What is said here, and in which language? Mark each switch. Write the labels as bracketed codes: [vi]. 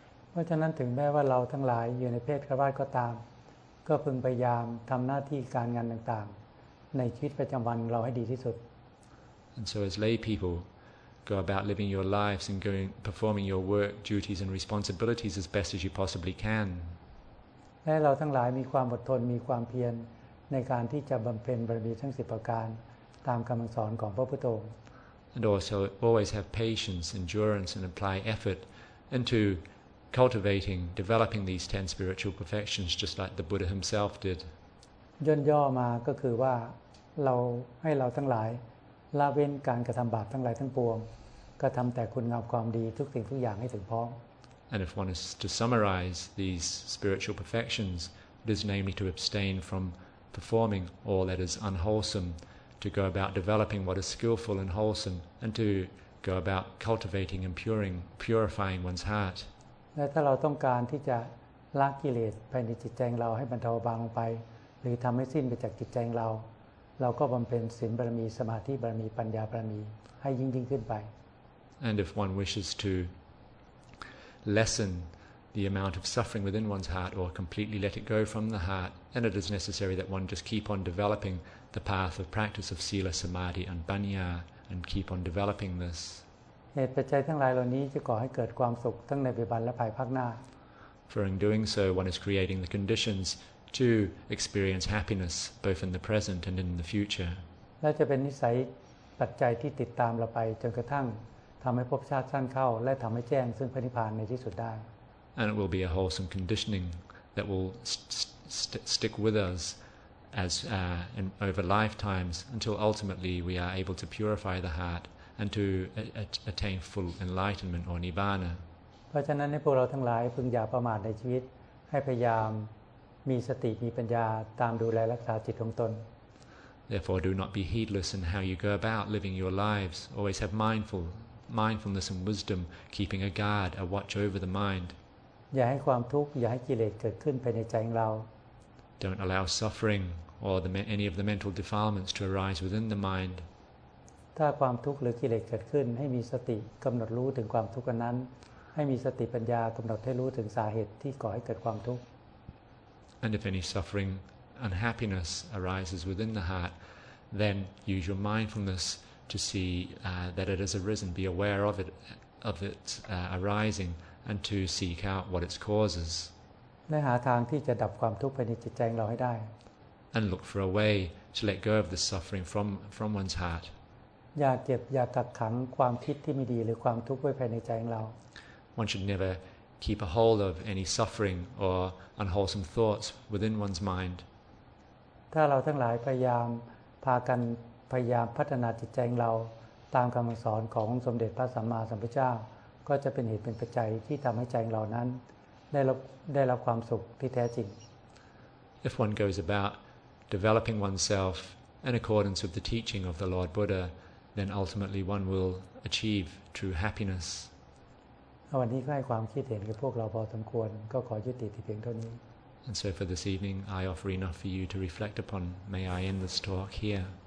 [th] เพราะฉะนั้นถึงแม้ว่าเราทั้งหลายอยู่ในเพศคฤหัสถ์ก็ตามก็พึงพยายามทำหน้าที่การงานต่างๆในชีวิตประจำวันเราให้ดีที่สุด [en] And so as lay people. Go about living your lives and going performing your work duties and responsibilities as best as you possibly can. [th] และเราทั้งหลายมีความอดทนมีความเพียรในการที่จะบำเพ็ญบารมีทั้ง10ประการตามคำสอนของพระพุทธองค์ [en] And also always have patience, endurance, and apply effort into cultivating, developing these 10 spiritual perfections, just like the Buddha himself did. [th] ย่นย่อมาก็คือว่าเราให้เราทั้งหลายละเว้นการกระทำบาปทั้งหลายทั้งปวงก็ทำแต่คุณงามความดีทุกสิ่งทุกอย่างให้ถึงพร้อม [en] And if one is to summarize these spiritual perfections it is namely to abstain from performing all that is unwholesome to go about developing what is skillful and wholesome and to go about cultivating and purifying one's heart [th] และถ้าเราต้องการที่จะละกิเลสภายในจิตใจเราให้บรรเทาบางลงไปหรือทำให้สิ้นไปจากจิตใจเราเราก็บำเพ็ญศีลบารมีสมาธิบารมีปัญญาบารมีให้ยิ่งยิ่งขึ้นไป [en] And if one wishes to lessen the amount of suffering within one's heart or completely let it go from the heart then it is necessary that one just keep on developing the path of practice of sila samadhi and banya and keep on developing this [th] เหตุปัจจัยทั้งหลายเหล่านี้จะก่อให้เกิดความสุขทั้งในปัจจุบันและภายภาคหน้า [en] For in doing so one is creating the conditionsTo experience happiness both in the present and in the future. [th] และจะเป็นนิสัยปัจจัยที่ติดตามเราไปจนกระทั่งทำให้ภพชาติสั้นเข้าและทำให้แจ้งซึ่งพระนิพพานในที่สุดได้ [en] And it will be a wholesome conditioning that will stick with us as in over lifetimes until ultimately we are able to purify the heart and to attain full enlightenment or nibbana. [th] เพราะฉะนั้นให้พวกเราทั้งหลายพึงอย่าประมาทในชีวิตให้พยายามมีสติมีปัญญาตามดูแลรักษาจิตของตน [en] Therefore do not be heedless in how you go about living your lives always have mindfulness and wisdom keeping a guard a watch over the mind [th] อย่าให้ความทุกข์อย่าให้กิเลสเกิดขึ้นภายในใจของเรา [en] Don't allow suffering or any of the mental defilements to arise within the mind [th] ถ้าความทุกข์หรือกิเลสเกิดขึ้นให้มีสติกำหนดรู้ถึงความทุกข์นั้นให้มีสติปัญญากำหนดให้รู้ถึงสาเหตุที่ก่อให้เกิดความทุกข์ [en] And if any suffering, unhappiness arises within the heart, then use your mindfulness to see that it has arisen. Be aware of it, arising, and to seek out what its causes. [th] และหาทางที่จะดับความทุกข์ภายในจิตใจเราให้ได้ [en] And look for a way to let go of the suffering from one's heart. [th] อย่าเก็บอย่ากักขังความคิดที่ไม่ดีหรือความทุกข์ไว้ภายในใจเรา [en] One should never. Keep a hold of any suffering or unwholesome thoughts within one's mind. [th] ถ้าเราทั้งหลายพยายามพากันพยายามพัฒนาจิตใจของเราตามคำสอนของสมเด็จพระสัมมาสัมพุทธเจ้าก็จะเป็นเหตุเป็นปัจจัยที่ทำให้ใจของเรานั้นได้รับความสุขที่แท้จริง [en] If one goes about developing oneself in accordance with the teaching of the Lord Buddha, then ultimately one will achieve true happiness. [th] วันนี้ก็ให้ความคิดเห็นกับพวกเราพอสมควรก็ขอยุติที่เพียงเท่านี้ [en] And so for this evening I offer enough for you to reflect upon may I end this talk here